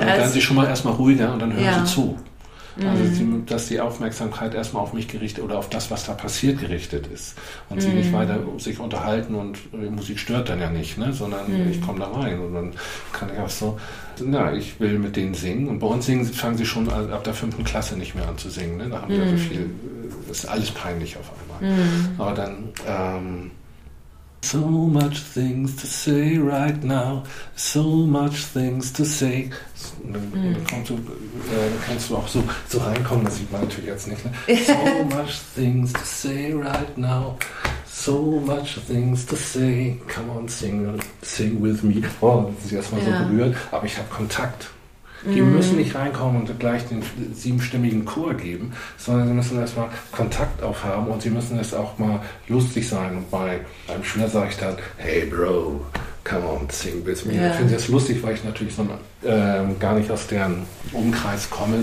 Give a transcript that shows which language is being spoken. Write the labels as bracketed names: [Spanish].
[German] dann werden sie schon mal erstmal ruhiger und dann hören sie zu. Also dass die Aufmerksamkeit erstmal auf mich gerichtet oder auf das, was da passiert, gerichtet ist. Und sie nicht weiter sich unterhalten und die Musik stört dann ja nicht, ne? Sondern ich komme da rein und dann kann ich auch so, na, ich will mit denen singen. Und bei uns fangen sie schon ab der 5. Klasse nicht mehr an zu singen. Ne? Da haben wir so viel, das ist alles peinlich auf einmal. Aber dann, [English] so much things to say right now, so much things to say. Dann kannst du auch so reinkommen, das sieht man natürlich jetzt nicht. Ne? So much things to say right now, so much things to say. Come on, sing with me. [German] Oh, das ist erstmal so berührt, aber ich habe Kontakt. Die müssen nicht reinkommen und gleich den 7-stimmigen Chor geben, sondern sie müssen erstmal Kontakt aufhaben und sie müssen es auch mal lustig sein. Und beim Schüler sage ich dann, [English] hey Bro, Come on, sing with me. [German] Ja. Ich finde es lustig, weil ich natürlich so gar nicht aus deren Umkreis komme.